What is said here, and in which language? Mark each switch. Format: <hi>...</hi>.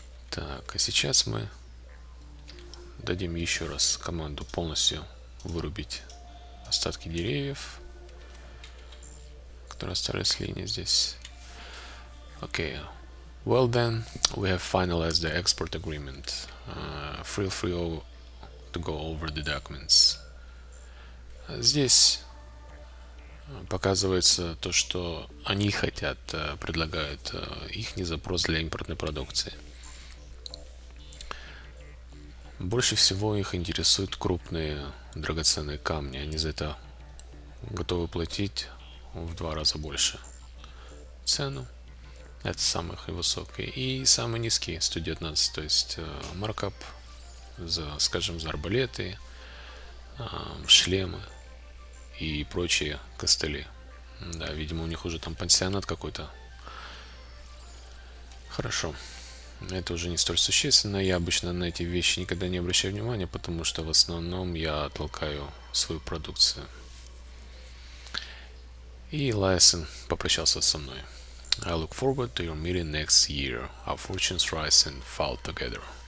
<ru>Так, а сейчас мы дадим еще раз команду полностью вырубить остатки деревьев, которые остались в линии здесь. Окей. Okay.</ru> <en>Well then, we have finalized the export agreement. Feel free to go over the documents.</en> <ru>Здесь показывается то, что они хотят, предлагают их запрос для импортной продукции. Больше всего их интересуют крупные драгоценные камни. Они за это готовы платить в два раза больше цену. Это самый высокий. И самый низкий, 119, то есть маркап за, скажем, за арбалеты, шлемы и прочие костыли. Да, видимо, у них уже там пансионат какой-то. Хорошо. Это уже не столь существенно. Я обычно на эти вещи никогда не обращаю внимания, потому что в основном я толкаю свою продукцию. И Лайсон попрощался со мной.</ru> <en>I look forward to your meeting next year. Our fortunes rise and fall together.</en>